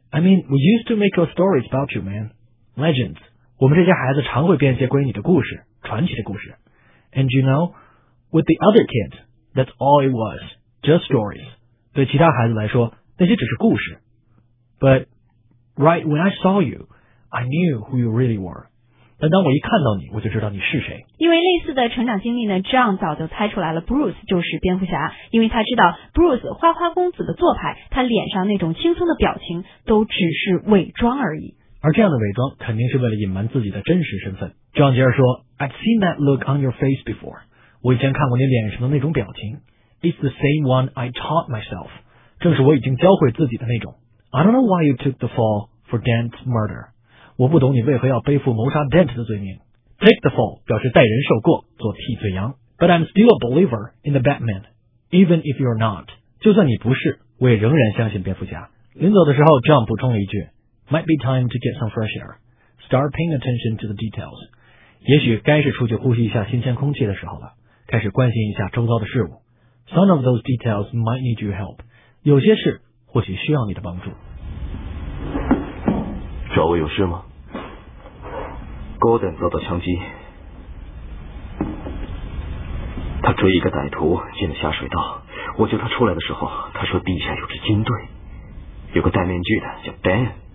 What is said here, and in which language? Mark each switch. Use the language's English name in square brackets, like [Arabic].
[English] I mean, we used to make up stories about you, man. Legends. [Chinese] 我们这些孩子常会编一些关于你的故事，传奇的故事。 [English] And you know, with the other kids, that's all it was, just stories. [Chinese] 对其他孩子来说，那些只是故事。 [English] But right when I saw you, I knew who you really were. [Chinese] 但当我一看到你，我就知道你是谁。因为类似的成长经历呢 ，John 早就猜出来了 ，Bruce 就是蝙蝠侠。因为他知道 Bruce 花花公子的做派，他脸上那种轻松的表情都只是伪装而已。而这样的伪装肯定是为了隐瞒自己的真实身份。 John 接着说 ， [English] I've seen that look on your face before。 [Chinese] 我以前看过你脸上的那种表情 ， [English] It's the same one I taught myself。 [Chinese] 正是我已经教会自己的那种。 [English] I don't know why you took the fall for Dent's murder。 [Chinese] 我不懂你为何要背负谋杀 Dent 的罪名。Take the fall 表示代人受过，做替罪羊。 [English] But I'm still a believer in the Batman, even if you're not. [Chinese] 就算你不是，我也仍然相信蝙蝠侠。临走的时候 ，John 补充了一句 ： [English] Might be time to get some fresh air. Start paying attention to the details. [Chinese] 也许该是出去呼吸一下新鲜空气的时候了，开始关心一下周遭的事物。 [English] Some of those details might need your help. [Chinese] 有些事或许需要你的帮助。找我有事吗 ？Gordon 遭到枪击，他追一个歹徒进了下水道。我救他出来的时候，他说地下有支军队，有个戴面具的叫 Ben。